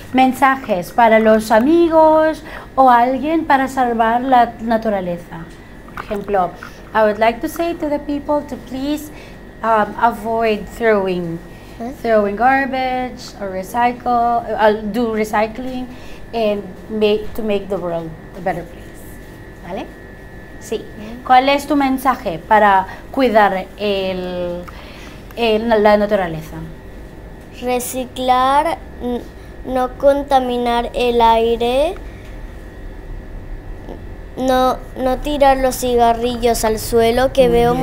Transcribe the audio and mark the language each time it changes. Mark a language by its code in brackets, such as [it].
[es] Mensajes para los amigos o alguien para salvar la naturaleza. Por ejemplo, [en] I would like to say to the people to please avoid throwing throwing garbage or do recycling and to make the world a better place. [es] ¿Vale? Sí. ¿Cuál es tu mensaje para cuidar la naturaleza? Reciclar, no contaminar el aire, no tirar los cigarrillos al suelo, que muy veo bien.